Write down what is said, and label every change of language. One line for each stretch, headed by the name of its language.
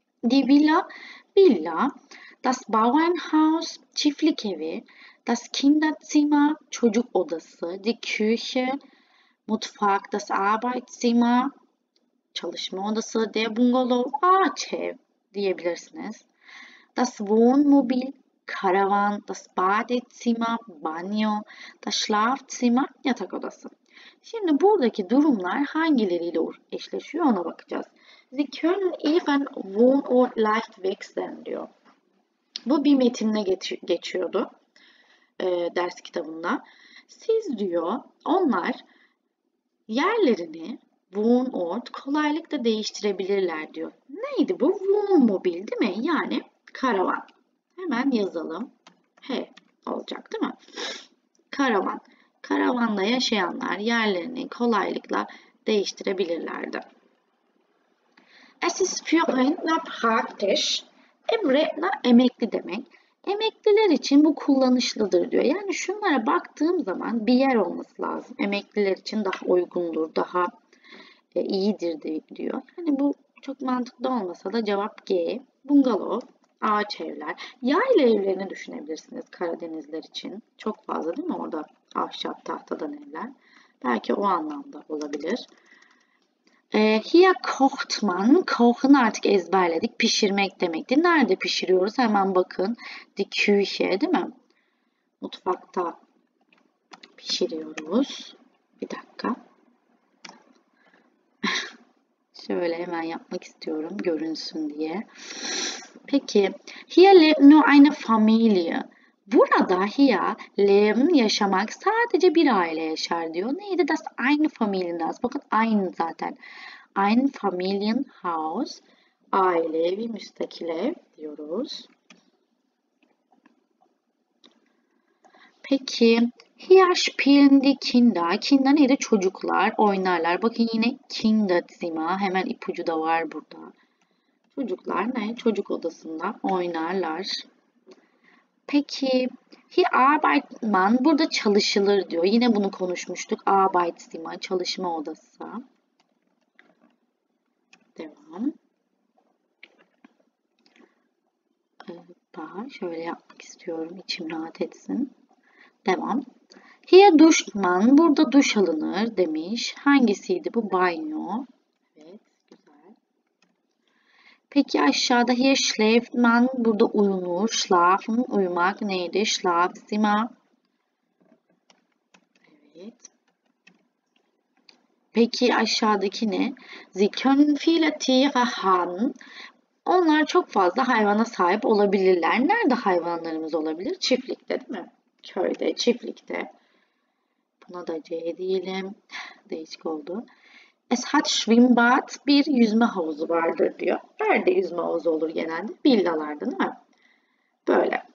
German: Die Villa, villa. Das Bauernhaus,
Turkish: çiftlik evi.
German: Das Kinderzimmer,
Turkish: çocuk odası.
German: Die Küche, mutfak. Das Arbeitszimmer,
Turkish: çalışma odası.
German: Der Bungalow,
Turkish: ağaç ev diyebilirsiniz.
German: Das Wohnmobil, karavan. Das Badezimmer, banyo. Das Schlafzimmer,
Turkish: yatak odası.
German: Die
Turkish: Şimdi buradaki durumlar hangileriyle eşleşiyor ona bakacağız.
German: Sie können even wohn Ort leicht wechseln diyor.
Turkish: Bu bir metinle geçiyordu ders kitabında. Siz diyor, onlar yerlerini
German: wohn Ort
Turkish: kolaylıkla değiştirebilirler diyor. Neydi bu? Wohnmobil değil mi? Yani karavan. Hemen yazalım. He olacak değil mi? Karavan. Karavanda yaşayanlar yerlerini kolaylıkla değiştirebilirlerdi.
German: Es ist für Rentner praktisch.
Turkish: Hem Rentner emekli demek. Emekliler için bu kullanışlıdır diyor. Yani şunlara baktığım zaman bir yer olması lazım. Emekliler için daha uygundur, daha iyidir diyor. Yani bu çok mantıklı olmasa da cevap G. Bungalov. Ağaç evler. Yayla evlerini düşünebilirsiniz Karadenizler için. Çok fazla değil mi orada ahşap tahtadan evler. Belki o anlamda olabilir.
German: Hier kocht man. Kochen
Turkish: artık ezberledik. Pişirmek demekti. Nerede pişiriyoruz? Hemen bakın.
German: Die Küche
Turkish: değil mi? Mutfakta pişiriyoruz. Bir dakika. Şöyle hemen yapmak istiyorum. Görünsün diye.
German: Peki, hier lebt nur eine Familie.
Turkish: Burada
German: hier leben
Turkish: yaşamak sadece bir aile yaşar diyor.
German: Neydi? Das eine Familienhaus.
Turkish: Bakın aynı zaten.
German: Ein Familienhaus.
Turkish: Aile evi, müstakil ev diyoruz.
German: Peki, hier spielen die Kinder.
Turkish: Kinder neydi? Çocuklar oynarlar. Bakın yine Kinderzimmer. Hemen ipucu da var burada. Çocuklar ne? Çocuk odasında oynarlar. Peki,
German: hier arbeitet man.
Turkish: Burada çalışılır diyor. Yine bunu konuşmuştuk. Arbeitszimmer, çalışma odası. Devam. Daha şöyle yapmak istiyorum. İçim rahat etsin. Devam.
German: Hier duscht man.
Turkish: Burada duş alınır demiş. Hangisiydi bu? Banyo. Peki aşağıda
German: hier schläft man,
Turkish: burada uyunur, schlafen, uyumak neydi, schlafzimmer. Evet. Peki aşağıdaki ne?
German: Sie können viele Tiere haben.
Turkish: Onlar çok fazla hayvana sahip olabilirler. Nerede hayvanlarımız olabilir? Çiftlikte değil mi? Köyde, çiftlikte. Buna da C diyelim. Değişik oldu.
German: Es hat Schwimmbad,
Turkish: bir yüzme havuzu vardır diyor. Nerede yüzme havuzu olur genelde? Villalarda değil mi? Böyle.